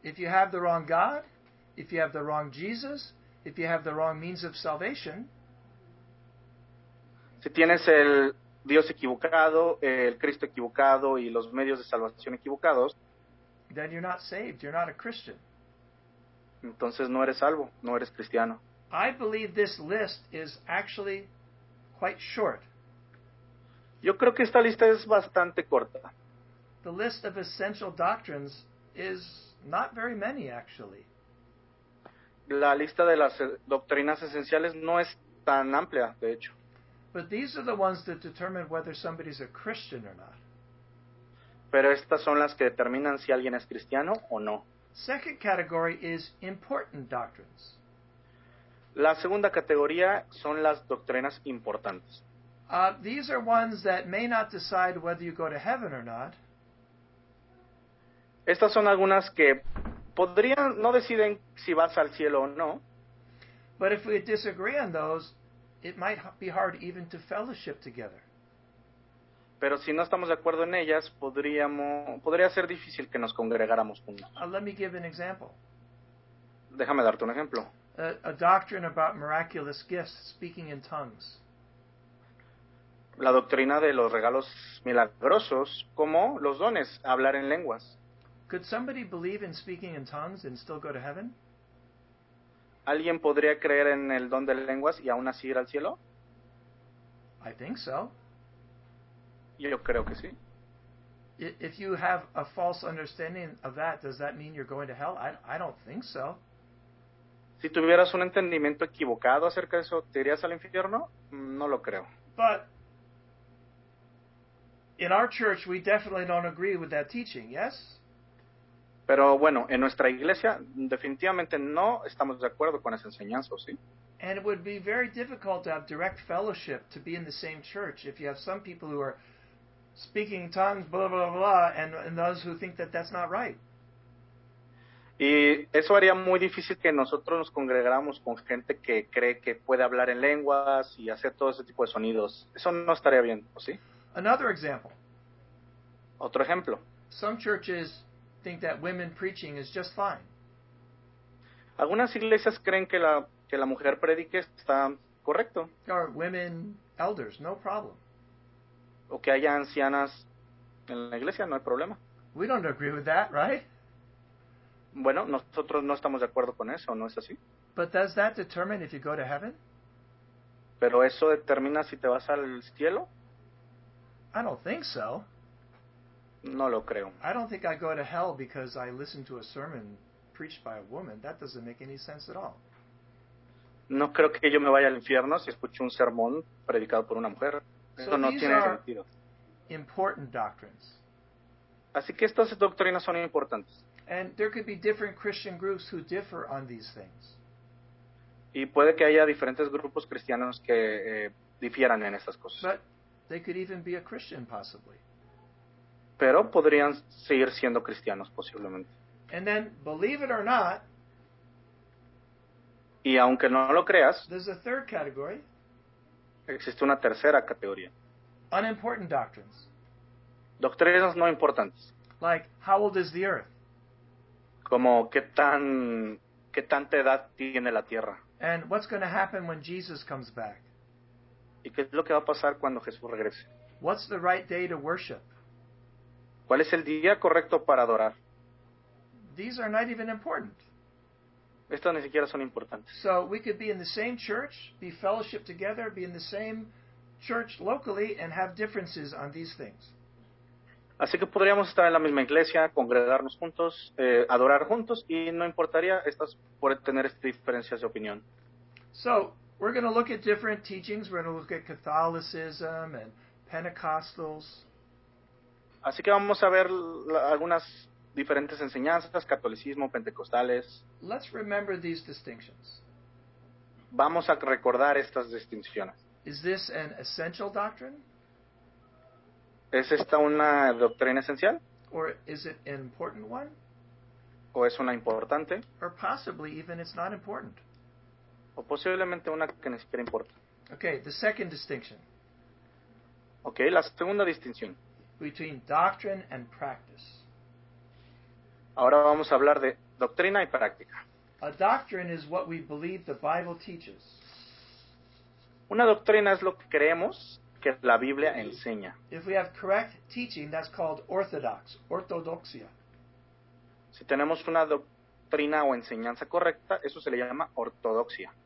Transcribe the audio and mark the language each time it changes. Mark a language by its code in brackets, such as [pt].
[en] If you have the wrong God, if you have the wrong Jesus, if you have the wrong means of salvation, [es] si tienes el Dios equivocado, el Cristo equivocado y los medios de salvación equivocados, [en] then you're not saved, you're not a Christian. [es] Entonces no eres salvo, no eres cristiano. [en] I believe this list is actually quite short. [es] Yo creo que esta lista es bastante corta. [en] The list of essential doctrines is not very many, actually. [es] La lista de las doctrinas esenciales no es tan amplia, de hecho. [en] But these are the ones that determine whether somebody's a Christian or not. [es] Pero estas son las que determinan si alguien es cristiano o no. [en] Second category is important doctrines. [es] La segunda categoría son las doctrinas importantes. [en] These are ones that may not decide whether you go to heaven or not. [es] Estas son algunas que podrían, no deciden si vas al cielo o no. [en] But if we disagree on those, it might be hard even to fellowship together. [es] Pero si no estamos de acuerdo en ellas, podría ser difícil que nos congregáramos juntos. [en] Let me give an example. [es] Déjame darte un ejemplo. [en] A doctrine about miraculous gifts, speaking in tongues. [es] La doctrina de los regalos milagrosos, como los dones, hablar en lenguas. [en] Could somebody believe in speaking in tongues and still go to heaven? [es] ¿Alguien podría creer en el don de lenguas y aún así ir al cielo? [en] I think so. [es] Yo creo que sí. [en] If you have a false understanding of that, does that mean you're going to hell? I don't think so. [es] Si tuvieras un entendimiento equivocado acerca de eso, ¿te irías al infierno? No lo creo. [en] But in our church, we definitely don't agree with that teaching, yes? [es] Pero bueno, en nuestra iglesia definitivamente no estamos de acuerdo con esa enseñanza, ¿sí? [en] And it would be very difficult to have direct fellowship to be in the same church if you have some people who are speaking tongues, blah, blah, blah, and those who think that that's not right. [es] Y eso haría muy difícil que nosotros nos congregáramos con gente que cree que puede hablar en lenguas y hacer todo ese tipo de sonidos. Eso no estaría bien, ¿sí? [en] Another example. [es] Otro ejemplo. [en] Some churches think that women preaching is just fine. [es] Algunas iglesias creen que la mujer predique está correcto. [en] Or women elders, no problem. [es] O que haya ancianas en la iglesia, no hay problema. [en] We don't agree with that, right? [es] Bueno, nosotros no estamos de acuerdo con eso, ¿no es así? [en] But does that determine if you go to heaven? [es] ¿Pero eso determina si te vas al cielo? [en] I don't think so. [es] No lo creo. [en] I don't think I go to hell because I listen to a sermon preached by a woman. That doesn't make any sense at all. [es] No creo que yo me vaya al infierno si escucho un sermón predicado por una mujer. Eso no tiene sentido. [en] So these are important doctrines. [es] Así que estas doctrinas son importantes. [en] And there could be different Christian groups who differ on these things. [es] Y puede que haya diferentes grupos cristianos que difieran en estas cosas. [en] But they could even be a Christian possibly. [es] Pero podrían seguir siendo cristianos, posiblemente. [en] And then, believe it or not, [es] y aunque no lo creas, [en] there's a third category. [es] Existe una tercera categoría. [en] Unimportant doctrines. [es] doctrinas no importantes. [en] Like, how old is the earth? [es] Como, ¿qué tanta edad tiene la tierra? [en] And what's going to happen when Jesus comes back? [es] ¿Y qué es lo que va a pasar cuando Jesús regrese? [en] What's the right day to worship? [es] ¿Cuál es el día correcto para adorar? [en] These are not even important. [es] Estos ni siquiera son importantes. [en] So we could be in the same church, be fellowship together, be in the same church locally, and have differences on these things. [es] Así que podríamos estar en la misma iglesia, congregarnos juntos, adorar juntos, y no importaría estas por tener estas diferencias de opinión. [en] So we're going to look at different teachings. We're going to look at Catholicism and Pentecostals. [es] Así que vamos a ver algunas diferentes enseñanzas, catolicismo, pentecostales. [en] Let's remember these distinctions. [es] Vamos a recordar estas distinciones. [en] Is this an essential doctrine? [es] ¿Es esta una doctrina esencial? [en] Or is it an important one? [es] ¿O es una importante? [en] Or possibly even it's not important. [es] ¿O posiblemente una que ni siquiera importa? [en] Okay, the second distinction. [es] Okay, la segunda distinción. [en] Between doctrine and practice. [es] Ahora vamos a hablar de doctrina y práctica. [en] A doctrine is what we believe the Bible teaches. [es] Una doctrina es lo que creemos que la Biblia enseña. [en] If we have correct teaching, that's called orthodox, ortodoxia. [es] Si tenemos una doctrina o enseñanza correcta, eso se le llama ortodoxia.